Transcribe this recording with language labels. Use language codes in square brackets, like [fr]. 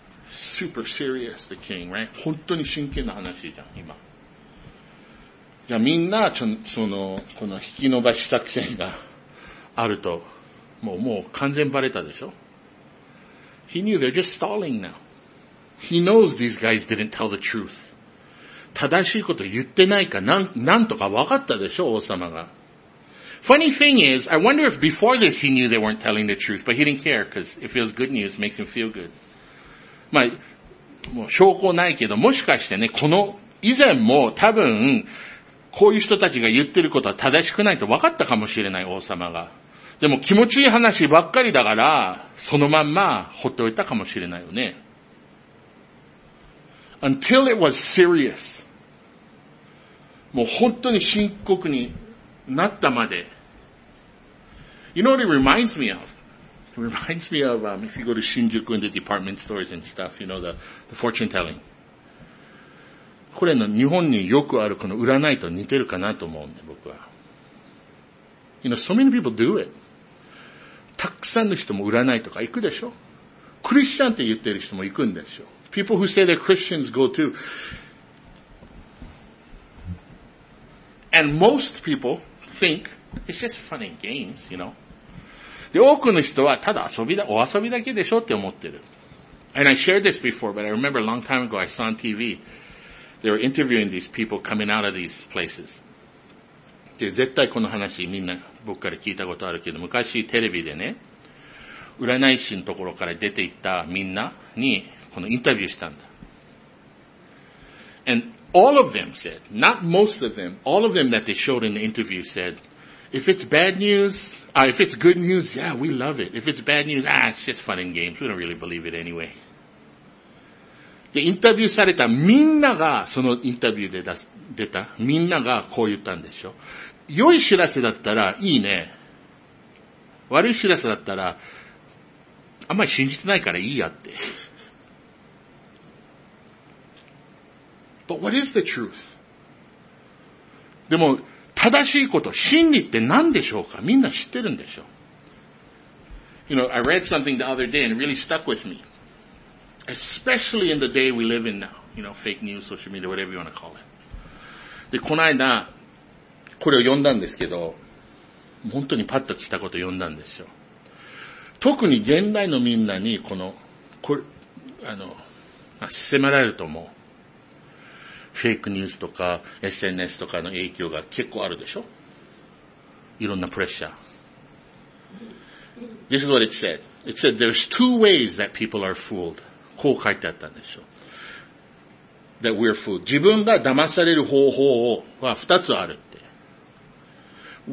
[en] Super serious, the king, right? [ja] 本当に真剣な話じゃん、今。じゃあみんな、この引き伸ばし作戦があると、もう完全バレたでしょ [en] ?He knew they're just stalling now.He knows these guys didn't tell the truth. [ja] 正しいこと言ってないか、なんとかわかったでしょ、王様が。 [en] Funny thing is, I wonder if before this he knew they weren't telling the truth, but he didn't care, because if it was good news, it makes him feel good. [ja] まあ、もう証拠ないけど、もしかしてね、この以前も多分、こういう人たちが言ってることは正しくないと分かったかもしれない、王様が。でも気持ちいい話ばっかりだから、そのまんま放っておいたかもしれないよね。 [en] Until it was serious. [ja] もう本当に深刻に、なったまで。 [en] You know what it reminds me of? It reminds me of, if you go to Shinjuku and the department stores and stuff, you know, the fortune telling. [ja] これの日本によくあるこの占いと似てるかなと思うね、僕は。 [en] You know, so many people do it. [ja] たくさんの人も占いとか行くでしょ？クリスチャンって言ってる人も行くんでしょ [en] ?People who say they're Christians go too. And most people think it's just fun and games, you know. [ja] で、多くの人はただ遊びだ、お遊びだけでしょって思ってる。 [en] And I shared this before, but I remember a long time ago I saw on TV, they were interviewing these people coming out of these places. [ja] で、絶対この話みんな僕から聞いたことあるけど、昔テレビでね、占い師のところから出て行ったみんなにこのインタビューしたんだ。 [en] And all of them said, not most of them, all of them that they showed in the interview said, if it's bad news, if it's good news, yeah, we love it. If it's bad news, it's just fun and games. We don't really believe it anyway. [ja] で、インタビューされたみんなが、そのインタビューで出たみんながこう言ったんでしょ。良い知らせだったらいいね。悪い知らせだったら、あんまり信じてないからいいやって。 [en] But what is the truth? [ja] でも、正しいこと、真理って何でしょうか？みんな知ってるんでしょ。 [en] You know, I read something the other day and it really stuck with me. Especially in the day we live in now. You know, fake news, social media, whatever you want to call it. [ja] で、この間、これを読んだんですけど、本当にパッと来たことを読んだんですよ。特に現代のみんなに、この、これ、迫られると思う。フェイクニュースとか SNS とかの影響が結構あるでしょ？いろんなプレッシャー。 [en] This is what it said. It said there's two ways that people are fooled. [ja] こう書いてあったんでしょ。 [en] That we're fooled. [ja] 自分が騙される方法は二つあるって。